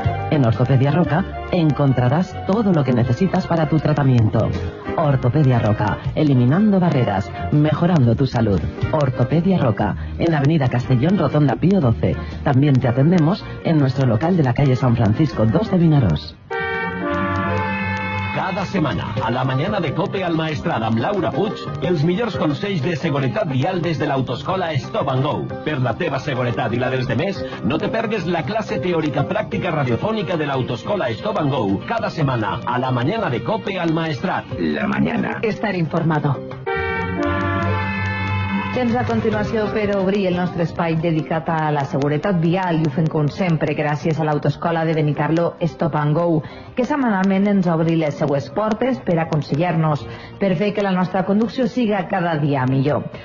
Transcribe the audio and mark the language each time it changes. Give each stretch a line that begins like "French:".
Spanish: En Ortopedia Roca encontrarás todo lo que necesitas para tu tratamiento. Ortopedia Roca, eliminando barreras, mejorando tu salud. Ortopedia Roca, en la Avenida Castellón, Rotonda Pío 12. También te atendemos en nuestro local de la calle San Francisco 2 de Vinaroz.
Catalan: Cada setmana, a la mañana de COPE al Maestrat amb Laura Puig, els millors consells de seguretat vial des de l'autoescola Stop and Go. Per la teva seguretat i la dels demés, no te perdes la classe teòrica pràctica radiofònica de l'autoescola Stop and Go. Cada setmana, a la mañana de COPE al Maestrat.
Spanish: La mañana. Estar informado.
Catalan: Temps a continuació per obrir el nostre espai dedicat a la seguretat vial i ho fem com sempre gràcies a l'autoescola de Benicarló Stop and Go, que setmanalment ens obri les seues portes per aconsellar-nos, per fer que la nostra conducció siga cada dia millor.